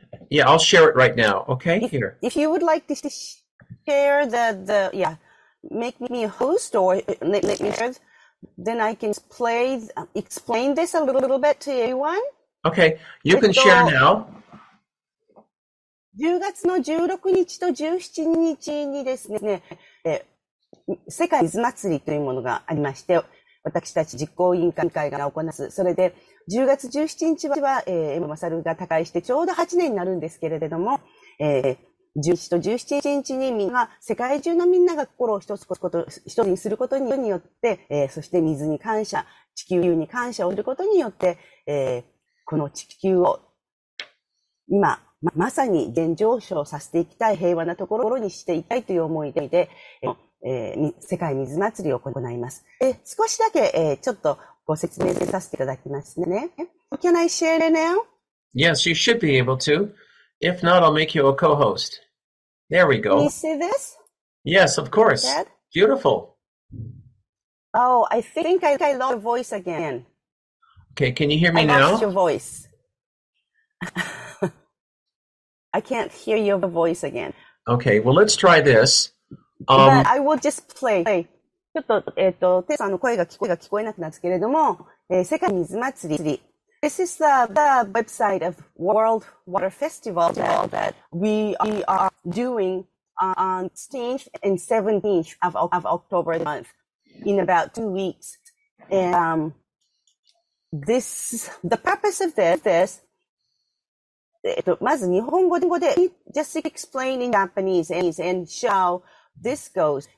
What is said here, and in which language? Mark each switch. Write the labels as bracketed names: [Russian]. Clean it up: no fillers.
[English] Yeah, I'll share it right now, okay? If you would like to share the make me a host or let me share, then I can explain this a little bit to everyone. Okay, you can share now. [Japanese] 10月の16日と17日にですね、世界水祭りというものがありまして、私たち実行委員会が行います。それで10月17日は、エモマサルが他界してちょうど8年になるんですけれども、11日と17日にみんな、世界中のみんなが心を一つにすることによって、そして水に感謝、地球に感謝をすることによって、この地球を今、まさに現状昇させていきたい、平和なところにしていきたいという思いで、世界水祭りを行います。少しだけ、ちょっとご説明させていただきますね。 [English] Can I share now? Yes, you should be able to. If not, I'll make you a co-host. There we go. Can you see this? Yes, of course. Beautiful. Oh, I think I lost your voice again. Okay, can you hear me I now? I lost your voice. I can't hear your voice again. Okay, well, let's try this. I will just play. [Japanese] ちょっと、テイさんの声が聞こえなくなったけれども、世界水祭り。 [English] This is the website of World Water Festival that we are doing on 16th and 17th of October month in about 2 weeks. And the purpose of this, [Japanese] まず日本語で、 [English] just explain in Japanese and show this goes.